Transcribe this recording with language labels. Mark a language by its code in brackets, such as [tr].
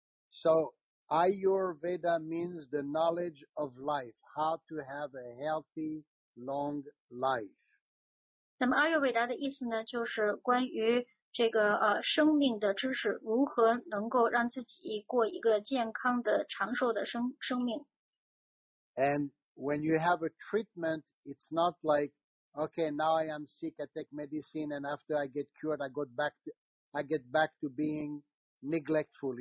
[en] So Ayurveda means the knowledge of life, how to have a healthy, long life. [zh] 那么阿育伟达的意思呢，就是关于这个生命的知识，如何能够让自己过一个健康的长寿的生命。And [en] when you have a treatment, it's not like, okay, now I am sick, I take medicine, and after I get cured, I get back to being neglectful.